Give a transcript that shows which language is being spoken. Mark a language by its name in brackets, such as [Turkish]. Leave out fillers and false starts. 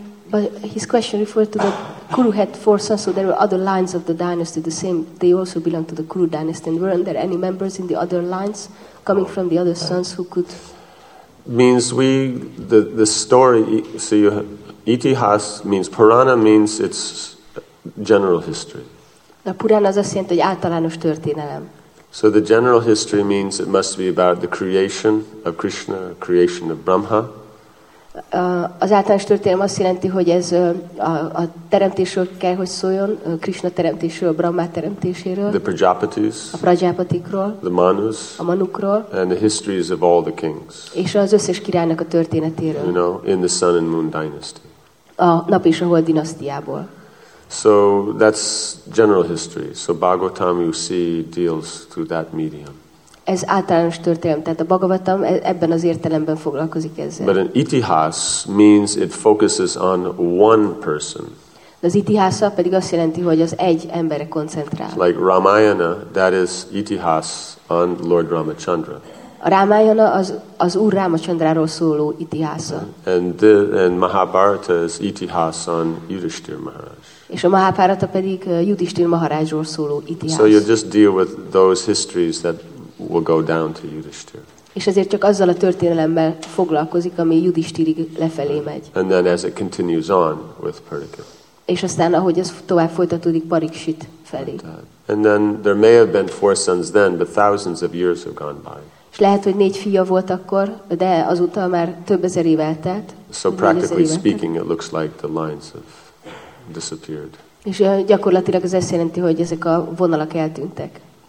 [English] But his question referred to the Kuru had four sons, so there were other lines of the dynasty, the same, they also belong to the Kuru dynasty, and weren't there any members in the other lines coming from the other sons who could... Means we, the story, so you have, Itihas means Purana means it's general history. [Hungarian] A Purana az azt jelenti, hogy általános történelem. [English] So the general history means it must be about the creation of Krishna, creation of Brahma. [Hungarian] Az általános történelem azt jelenti, hogy ez a teremtésről kell, hogy szóljon, Krishna teremtésről, Brahma teremtéséről. [English] The Prajapatis. [Hungarian] A Prajapatikról. [English] The Manus. [Hungarian] A Manukról. [English] And the histories of all the kings. [Hungarian] És az összes királynak a történetéről. [English] You know, in the Sun and Moon dynasty. [Hungarian] A Nap és a Hold dinasztiából. [English] So that's general history. So Bhagavatam, you see, deals through that medium. [Hungarian] Ez általános történelem, tehát a Bhagavatam ebben az értelemben foglalkozik ezzel. [English] But an itihas means it focuses on one person. [Hungarian] De az itihasa pedig azt jelenti, hogy az egy emberre koncentrál. [English] Like Ramayana, that is itihas on Lord Ramachandra. [Hungarian] A Rámayana az Úr Rámacsandráról szóló itihása. [English] And Mahabharata is itihas on Yudhishthira Maharaj. [Hungarian] És a Mahabharata pedig Yudhishthira Maharajról szóló itihás. [English] So you just deal with those histories that will go down to Yudhishthira. [Hungarian] És ezért csak azzal a történelemmel foglalkozik, ami Yudhishthirig lefelé megy. [English] And then as it continues on with Parikshit. [Hungarian] És aztán ahogy ez tovább folytatódik Parikshit felé. [English] And then there may have been four sons then, but thousands of years have gone by. [Hungarian] Lehet, hogy négy fia volt akkor, de azóta már több ezer év eltelt. [English] So practically speaking, it looks like the lines have disappeared. [Hungarian] És gyakorlatilag ez azt jelenti, hogy ezek a vonalak eltűntek.